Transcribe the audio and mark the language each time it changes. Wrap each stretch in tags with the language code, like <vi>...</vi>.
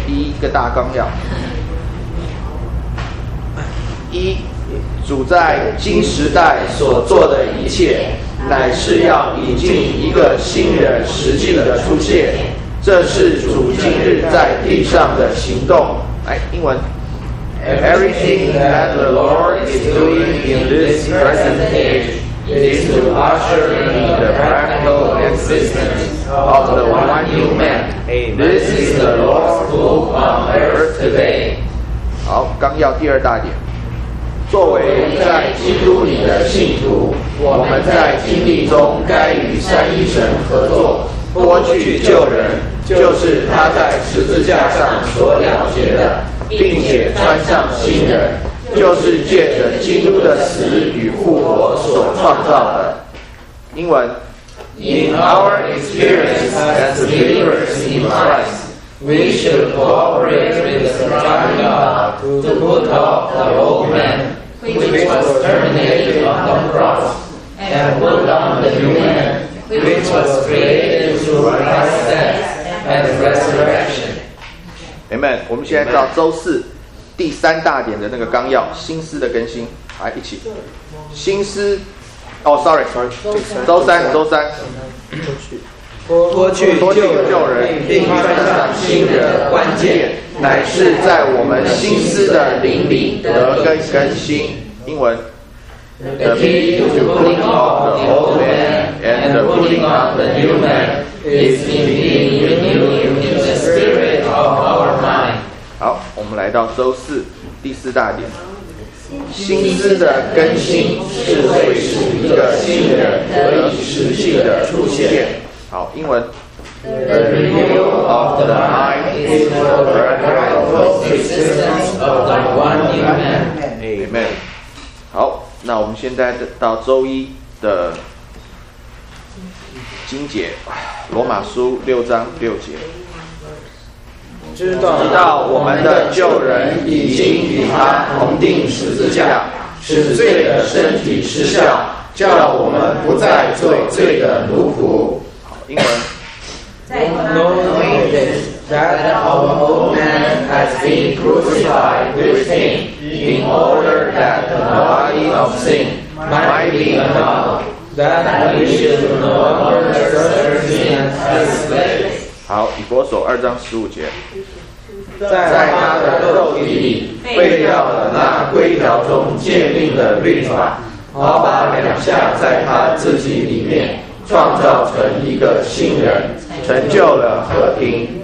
<zh>第一个大纲要，一，主在今时代所做的一切乃是要引进一个新人实际的出现，这是主今日在地上的行动。来，英文。</zh> <en>Everything that the Lord is doing in this present age is to usher in the practical existence of the one new man. This is the Lord's move on earth today.</en> <zh>好，纲要第二大点，作为在基督里的信徒，我们在经历中该与三一神合作，脱去旧人，就是他在十字架上所了结的，并且穿上新人，就是借着基督的死与复活所创造的。英文。</zh> <en>In our experience as believers in Christ, we should cooperate with the Son of God to put off the old man which was terminated on the cross, and put on the new man, which was created through Christ's death and resurrection. Amen.</en> <zh>我们现在到周四第三大点的那个纲要，心思的更新。来，一起心思。哦 sorry 周三脱去旧人并穿上新人，关键乃是在我们心思的灵里得更新。英文。</zh> <en>The key to putting off the old man and the putting on the new man is in being renewed in the spirit of our mind.</en> <zh>好，我们来到周四第四大点，心思的更新是为使一个新人得以实际的出现。好，英文。</zh> <en>The renewal of the mind is for the practical existence of the one new man. Amen。</en> <zh>好，那我们现在到周一的经节，罗马书六章六节，知道我们的旧人已经与他同钉十字架，使罪的身体失效，叫我们不再做罪的奴仆。好，英文。</zh> <en>Knowing this, that our old man has been crucified with him in order that the body of sin might be annulled, that we should no longer serve sin as slaves.</en> <zh>好，以弗所二章十五节，在他的肉体里废掉了那规条中诫命的律法，好把两下在他自己里面创造成一个新人，成就了和平。</zh>